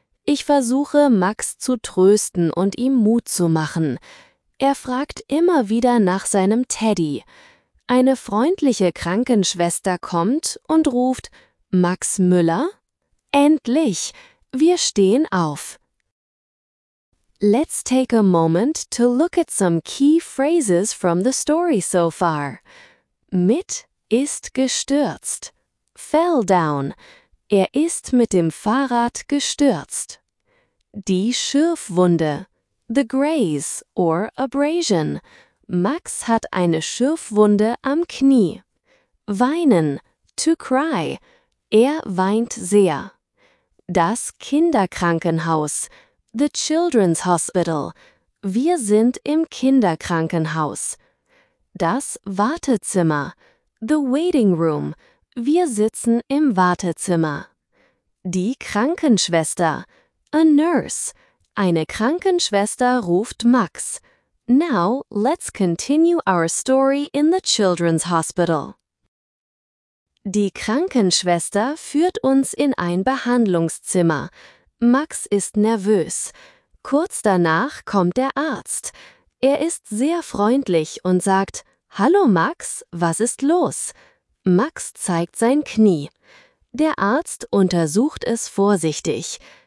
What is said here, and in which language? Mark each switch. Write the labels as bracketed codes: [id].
[de] Ich versuche, Max zu trösten und ihm Mut zu machen. Er fragt immer wieder nach seinem Teddy. Eine freundliche Krankenschwester kommt und ruft: "Max Müller?" Endlich! Wir stehen auf. [en] Let's take a moment to look at some key phrases from the story so far. [de] Mit ist gestürzt. [en] Fell down. [de] Er ist mit dem Fahrrad gestürzt. Die Schürfwunde. [en] The graze or abrasion. [de] Max hat eine Schürfwunde am Knie. Weinen. [en] To cry. [de] Er weint sehr. Das Kinderkrankenhaus. [en] The Children's Hospital. [de] Wir sind im Kinderkrankenhaus. Das Wartezimmer. [en] The Waiting Room. [de] Wir sitzen im Wartezimmer. Die Krankenschwester. [en] A Nurse. [de] Eine Krankenschwester ruft Max. [en] Now, let's continue our story in the Children's Hospital. [de] Die Krankenschwester führt uns in ein Behandlungszimmer. Max ist nervös. Kurz danach kommt der Arzt. Er ist sehr freundlich und sagt: "Hallo Max, was ist los?" Max zeigt sein Knie. Der Arzt untersucht es vorsichtig.